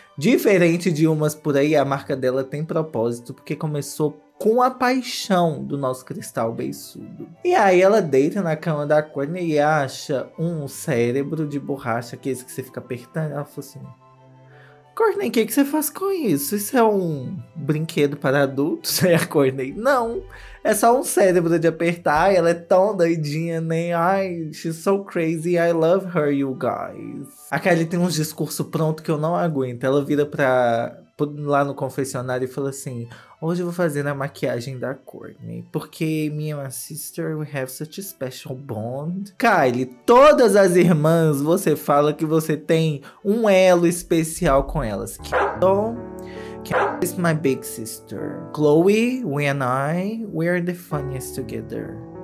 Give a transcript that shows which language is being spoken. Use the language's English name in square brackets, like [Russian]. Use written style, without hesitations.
[Portuguese] Diferente de umas por aí, a marca dela tem propósito, porque começou com a paixão do nosso cristal beiçudo. E aí ela deita na cama da Courtney e acha um cérebro de borracha, que é esse que você fica apertando. Ela falou assim: Courtney, o que você faz com isso? Isso é um brinquedo para adultos, né, Courtney? Não, é só um cérebro de apertar. Ela é tão doidinha, né? [English] Ai, she's so crazy, I love her, you guys. [Portuguese] A Kylie tem um discurso pronto que eu não aguento. Ela vira pra lá no confessionário e fala assim: hoje eu vou fazer a maquiagem da Courtney, porque [English] me and my sister, we have such a special bond. [Portuguese] Kylie, todas as irmãs, você fala que você tem um elo especial com elas. [English] Kendall, Kendall is my big sister. Chloe, we and I, we are the funniest together.